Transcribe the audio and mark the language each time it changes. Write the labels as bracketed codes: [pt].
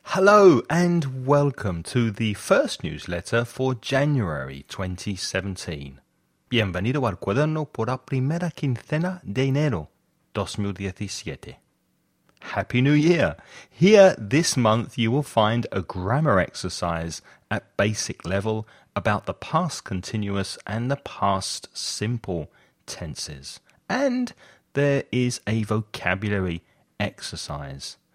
[en] Hello and welcome to the first newsletter for January 2017. [es] Bienvenido al cuaderno por la primera quincena de enero 2017. [en] Happy New Year! Here this month you will find a grammar exercise at basic level about the past continuous and the past simple tenses. And there is a vocabulary exercise.